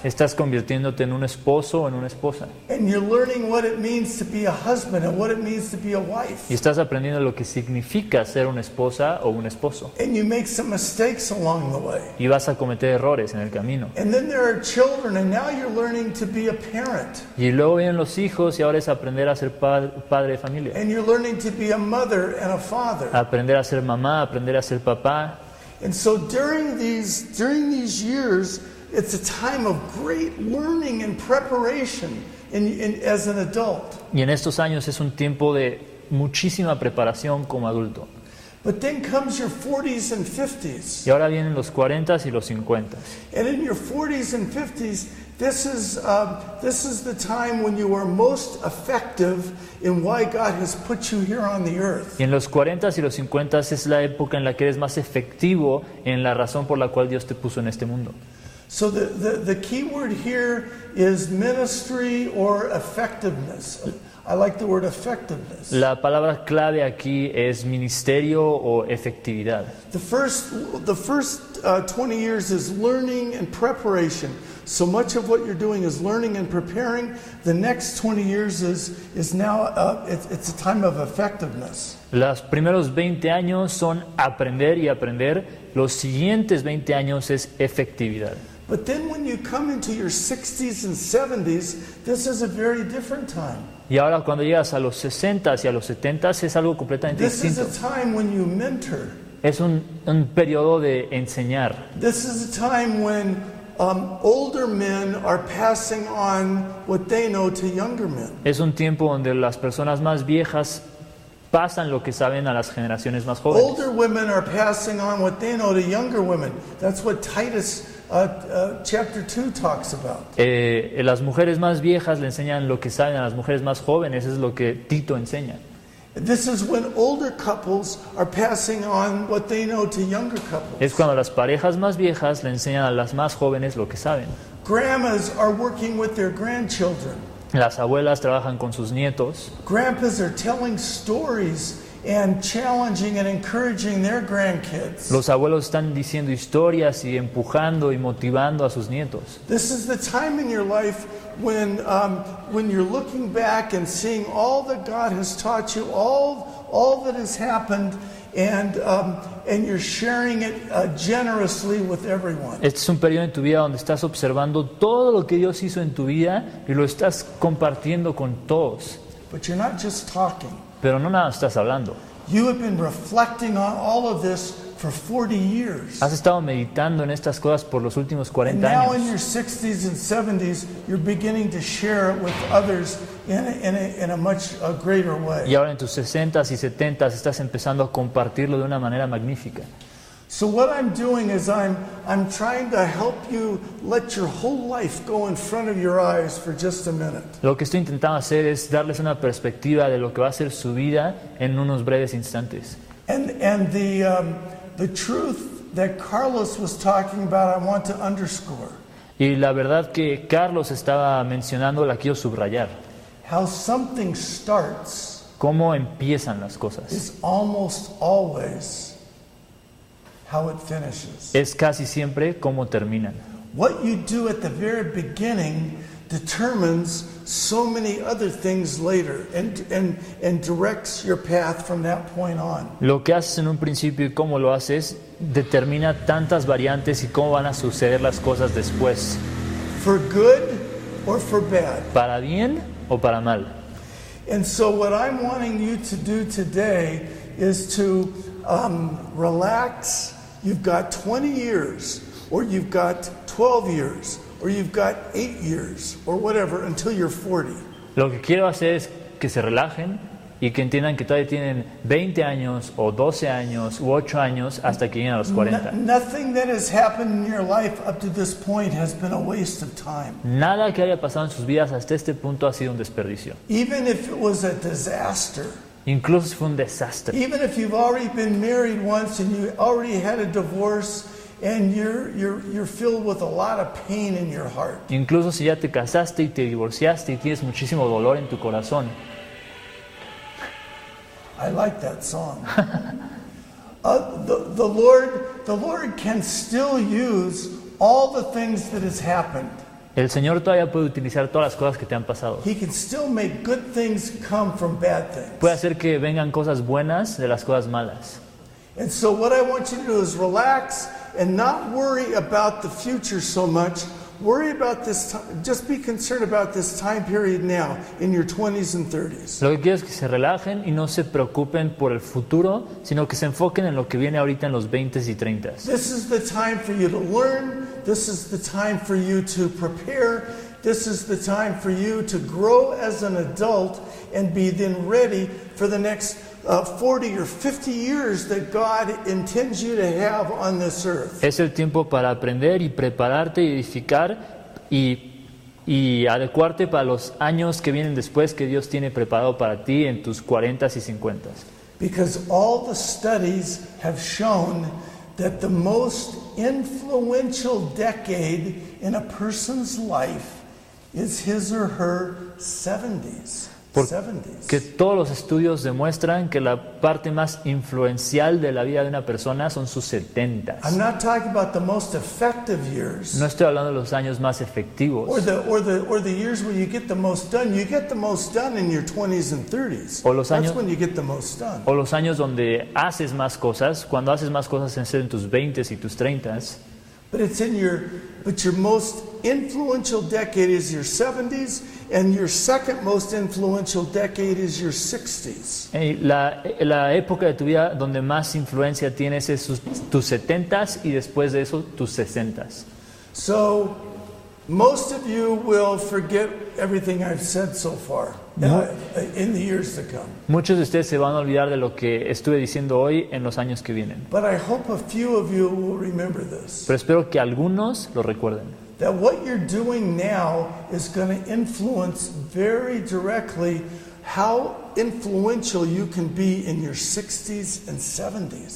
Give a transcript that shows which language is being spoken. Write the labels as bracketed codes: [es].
[es] Estás convirtiéndote en un esposo o en una esposa. [en] And you're learning what it means to be a husband and what it means to be a wife. [es] Y estás aprendiendo lo que significa ser una esposa o un esposo. [en] And you make some mistakes along the way. [es] Y vas a cometer errores en el camino. [en] And then there are children, and now you're learning to be a parent. [es] Y luego vienen los hijos, y ahora es aprender a ser padre de familia. [en] And you're learning to be a mother and a father. [es] Aprender a ser mamá, aprender a ser papá. [en] And so during these years, it's a time of great learning and preparation in as an adult. [es] Y en estos años es un tiempo de muchísima preparación como adulto. [en] But then comes your 40s and 50s. [es] Y ahora vienen los 40s y los 50s. [en] And in your 40s and 50s, this is the time when you are most effective in why God has put you here on the earth. [es] Y en los 40s y los 50s es la época en la que eres más efectivo en la razón por la cual Dios te puso en este mundo. [en] So the key word here is ministry or effectiveness. I like the word effectiveness. [es] La palabra clave aquí es ministerio o efectividad. [en] The first 20 years is learning and preparation. So much of what you're doing is learning and preparing. The next 20 years is now it's a time of effectiveness. [es] Los primeros 20 años son aprender y aprender. Los siguientes 20 años es efectividad. [en] But then when you come into your 60s and 70s, this is a very different time. [es] Y ahora cuando llegas a los 60s y a los 70s es algo completamente [en] this [es] distinto. [en] This is a time when you mentor. [es] Es un periodo de enseñar. [en] This is a time when older men are passing on what they know to younger men. [es] Es un tiempo donde las personas más viejas pasan lo que saben a las generaciones más jóvenes. [en] Older women are passing on what they know to younger women. That's what Titus chapter 2 talks about. [es] Las mujeres más viejas le enseñan lo que saben a las mujeres más jóvenes. Es lo que Tito enseña. [en] This is when older couples are passing on what they know to younger couples. [es] Es cuando las parejas más viejas le enseñan a las más jóvenes lo que saben. [en] Grandmas are working with their grandchildren. [es] Las abuelas trabajan con sus nietos. [en] Grandpas are telling stories and challenging and encouraging their grandkids. [es] Los abuelos están diciendo historias y empujando y motivando a sus nietos. [en] This is the time in your life when you're looking back and seeing all that God has taught you, all that has happened, and you're sharing it generously with everyone. [es] Este es un periodo en tu vida donde estás observando todo lo que Dios hizo en tu vida y lo estás compartiendo con todos. [en] But you're not just talking. [es] Pero no nada estás hablando. [en] You have been reflecting on all of this for 40 years. [es] Has estado meditando en estas cosas por los últimos 40 años. [en] And now in your 60s and 70s, you're beginning to share it with others in a much greater way. [es] Y ahora en tus 60s y 70s estás empezando a compartirlo de una manera magnífica. [en] So what I'm doing is I'm trying to help you let your whole life go in front of your eyes for just a minute. [es] Lo que estoy intentando hacer es darles una perspectiva de lo que va a ser su vida en unos breves instantes. [en] And the truth that Carlos was talking about, I want to underscore. [es] Y la verdad que Carlos estaba mencionando la quiero subrayar. [en] How something starts. [es] Cómo empiezan las cosas. [en] Is almost always how it finishes. [es] Es casi siempre cómo terminan. [en] What you do at the very beginning determines so many other things later and directs your path from that point on. [es] Lo que haces en un principio y cómo lo haces determina tantas variantes y cómo van a suceder las cosas después. [en] For good or for bad. [es] Para bien o para mal. [en] And so what I'm wanting you to do today is to relax. You've got 20 years, or you've got 12 years, or you've got 8 years, or whatever, until you're 40. [es] Lo que quiero hacer es que se relajen y que entiendan que todavía tienen 20 años, o 12 años, u 8 años, hasta que lleguen a los 40. [en] Nothing that has happened in your life up to this point has been a waste of time. [es] Nada que haya pasado en sus vidas hasta este punto ha sido un desperdicio. [en] Even if it was a disaster. [es] Incluso fue un desastre. [en] Even if you've already been married once and you already had a divorce and you're filled with a lot of pain in your heart. [es] Incluso si ya te casaste y te divorciaste y tienes muchísimo dolor en tu corazón. [en] I like that song. The Lord can still use all the things that has happened. [es] El Señor todavía puede utilizar todas las cosas que te han pasado. [en] He can still make good things come from bad things. [es] Puede hacer que vengan cosas buenas de las cosas malas. [en] And so what I want you to do is relax and not worry about the future so much. Worry about this time, just be concerned about this time period now in your 20s and 30s. [es] Lo que quiero es que se relajen y no se preocupen por el futuro, sino que se enfoquen en lo que viene ahorita en los 20s y 30s. [en] This is the time for you to learn. This is the time for you to prepare. This is the time for you to grow as an adult and be then ready for the next 40 or 50 years that God intends you to have on this earth. [es] Es el tiempo para aprender y prepararte y edificar y adecuarte para los años que vienen después que Dios tiene preparado para ti en tus 40s y 50s. [en] Because all the studies have shown that the most influential decade in a person's life is his or her 70s. [es] Que todos los estudios demuestran que la parte más influencial de la vida de una persona son sus 70s. [en] I'm not talking about the most effective years. [es] No estoy hablando de los años más efectivos. [en] Or the years where you get the most done. You get the most done in your 20s and 30s. [es] O los años, [en] that's when you get the most done. [es] O los años donde haces más cosas. Cuando haces más cosas es en tus 20s y tus 30s. [en] But your most influential decade is your 70s, and your second most influential decade is your 60s. [es] La época de tu vida donde más influencia tienes es tus 70s y después de eso tus 60s. [en] So, most of you will forget everything I've said so far in the years to come. [es] Muchos de ustedes se van a olvidar de lo que estuve diciendo hoy en los años que vienen. [en] But I hope a few of you will remember this. [es] Pero espero que algunos lo recuerden. [en] That what you're doing now is going to influence very directly how influential you can be in your 60s and 70s.